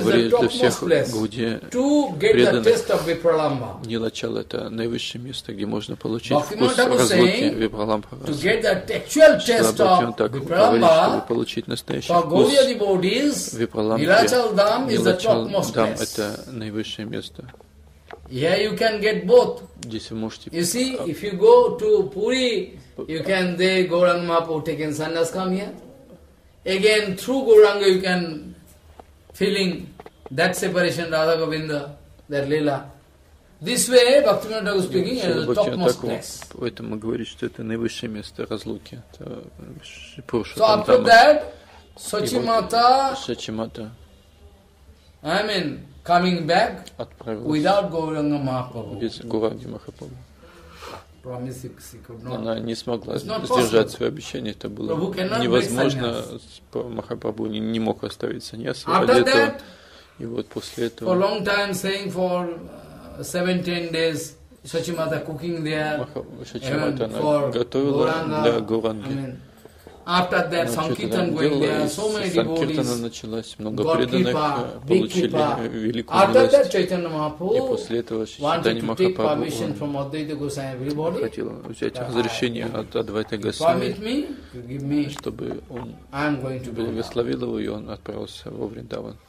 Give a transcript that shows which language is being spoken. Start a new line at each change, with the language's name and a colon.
Russian: говорит для всех Гауди преданных, Нилачал это наивысшее место, где можно получить вкус разлуки Випраламбха. Бхактивинода Тхакур говорит, чтобы получить настоящий вкус Випраламбха, Нилачал Дам это наивысшее место.
English: Yeah, you can get both.
Russian: Здесь вы можете.
English: You see, if you go to Puri, you can there Gauranga Mahaprabhu taking sannyas come here. Again, through Gauranga you can feeling that separation, Radha Govinda, that Leela. This way, Bhaktivinoda Thakur speaking is the topmost place.
Russian: Поэтому говорит, что это наивысшее место разлуки.
English: So after that, Сачимата. Сачимата. I mean. Coming back
Russian: отправилась
English: without Gauranga Mahaprabhu.
Russian: Без Гауранги Махапрабху.
English: Promise she could not.
Russian: Она не смогла сдержать свое обещание. Это было невозможно. Махапрабху не мог оставить саньяса.
English: After that,
Russian: и вот после этого.
English: For long time, saying for 17 days, Сачимата cooking there.
Russian: Сачимата она готовила для Гауранги.
English: After that, Sankirtan going there, so many devotees.
Russian: Началось, много преданных получили великую милость.
English: After that, Chaitanya Mahaprabhu wanted to take permission from Advaita Gosai and everybody.
Russian: Хотел взять разрешение от Адвайты Госвами.
English: Permit me to give me.
Russian: Чтобы он благословил его, и он отправился во Вриндаван.